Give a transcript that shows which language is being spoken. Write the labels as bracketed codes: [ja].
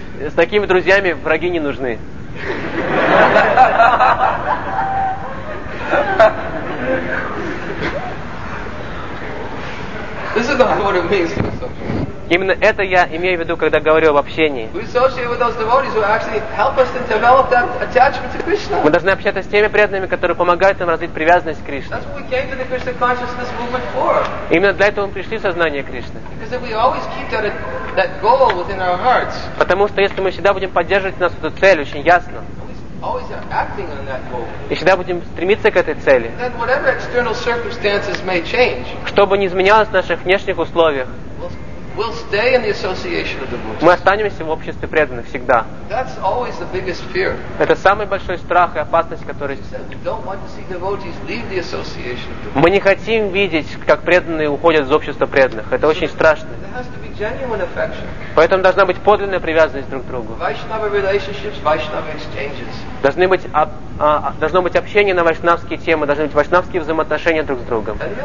[ru] С такими друзьями враги не нужны. [en] This is what it means to associate. [ru] Именно это я имею в виду, когда говорю об общении. [en] We associate with those devotees who actually help us to develop that attachment to Krishna. [ru] Мы должны общаться с теми преданными, которые помогают нам развить привязанность к Кришне. [en] That's what we came to the Krishna consciousness movement for. [ru] Именно для этого мы пришли в сознание Кришны. [en] Because if we always keep that goal within our hearts. [ru] Потому что если мы всегда будем поддерживать нас эту цель, очень ясно. [en] Always acting on that goal. [ru] И всегда будем стремиться к этой цели. [en] Then whatever external circumstances may change. [ru] Чтобы не изменялось в наших внешних условиях. [en] We'll We'll stay in the association of the Buddhists. [ru] Мы останемся в обществе преданных всегда. [en] That's always the biggest fear. [ru] Это самый большой страх и опасность, который... [en] We don't want to see devotees leave the association of the Buddhists. [ru] Мы не хотим видеть, как преданные уходят из общества преданных. Это очень страшно. [en] There has to be genuine affection. [ru] Поэтому должна быть подлинная привязанность друг к другу. [en] Vaishnava relationships, Vaishnava exchanges. [ru] Должны быть должно быть общение на вайшнавские темы, должны быть вайшнавские взаимоотношения друг с другом.